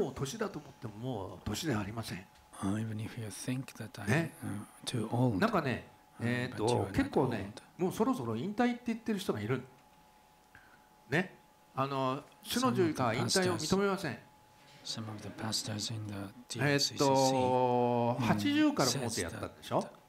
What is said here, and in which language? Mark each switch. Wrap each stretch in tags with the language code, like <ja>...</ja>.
<ja>もう年だと思ってももう年ではありません。</ja> <en>Even if you think that I'm too old.</en> <ja>なんかね、結構ね、もうそろそろ引退って言ってる人がいる。ね。主の十字架は引退を認めません。80からもうてやったんでしょ。</ja>